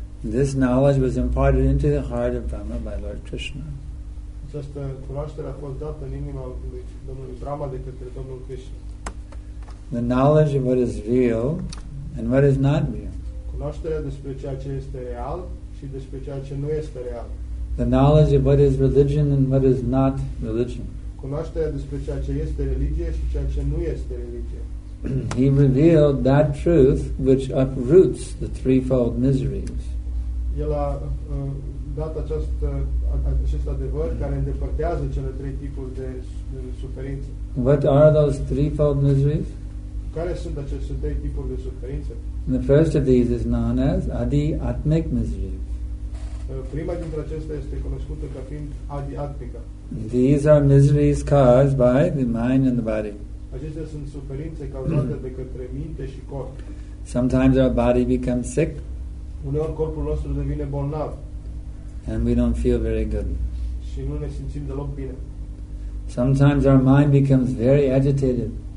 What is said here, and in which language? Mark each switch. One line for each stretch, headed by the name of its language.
English: This knowledge was imparted into the heart of Brahma by Lord Krishna.
Romanian: Această cunoaștere a fost dată în inima lui Domnul Brahma de către Domnul Krishna.
English: The knowledge of what is real and what is not real.
Romanian: Cunoașterea despre ceea ce este real și despre ceea ce nu este real.
English: The knowledge of what is religion and what is not religion.
Romanian: Cunoașterea despre ceea ce este religie și ceea ce nu este religie.
English: He revealed that truth which uproots the threefold miseries.
Romanian: El a dat acest adevăr care îndepărtează cele trei tipuri de suferință.
English: What are those threefold miseries?
Romanian: Care sunt aceste trei tipuri de suferință?
English: The first of these is known as adi atmic misery.
Romanian: Prima dintre acestea este cunoscută ca fiind adi atmica.
English: These are miseries caused by the mind and the body.
Romanian: Acestea sunt suferințe cauzate de către minte și corp.
English: Sometimes our body becomes sick.
Romanian: Uneori corpul nostru devine bolnav.
English: And we don't feel very good.
Romanian: Și nu ne simțim deloc bine.
English: Sometimes our mind becomes very agitated.